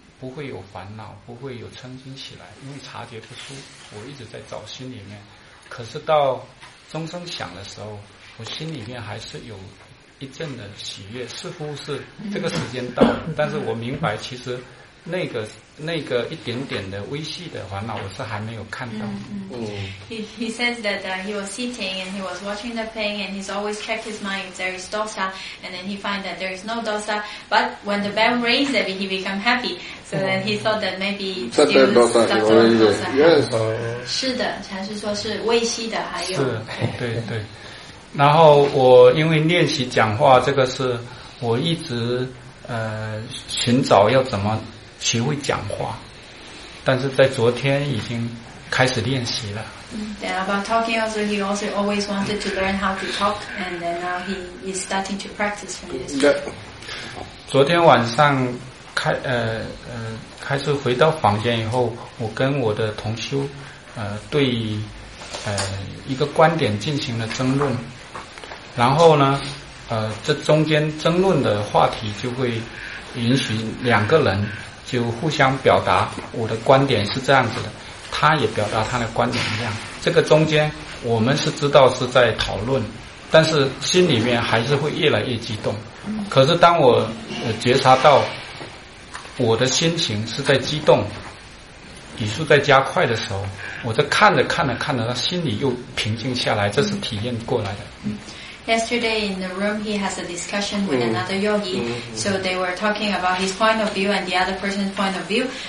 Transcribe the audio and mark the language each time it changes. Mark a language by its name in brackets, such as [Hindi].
[Chinese] 不会有烦恼，不会有嗔心起来，因为察觉不出，我一直在找心里面。可是到钟声响的时候，我心里面还是有一阵的喜悦，似乎是这个时间到了，但是我明白其实那个一点点的微细的烦恼我是还没有看到。 [English] He says that he was sitting and he was watching the pain and he's always checked his mind if there is dosa and then he find that there is no dosa, but when the bell rings maybe he become happy, so then he thought that maybe still dosa, dosa. Yes. [Chinese] 是的，禅师说是微细的，还有是，对对。然后我因为练习讲话，这个是我一直寻找要怎么学会讲话，但是在昨天已经开始练习了。 [English] Yeah, about talking also, he also always wanted to learn how to talk, and then now he is starting to practice from this. Yeah. [Chinese] 昨天晚上开始回到房间以后，我跟我的同修对一个观点进行了争论，然后呢这中间争论的话题就会允许两个人就互相表达我的观点是这样子的，他也表达他的观点一样，这个中间我们是知道是在讨论，但是心里面还是会越来越激动。可是当我觉察到我的心情是在激动，语速在加快的时候，我在看着看着看着，心里又平静下来，这是体验过来的。 [English] Yesterday in the room, he has a discussion with another yogi. So they were talking about his point of view and the other person's point of view.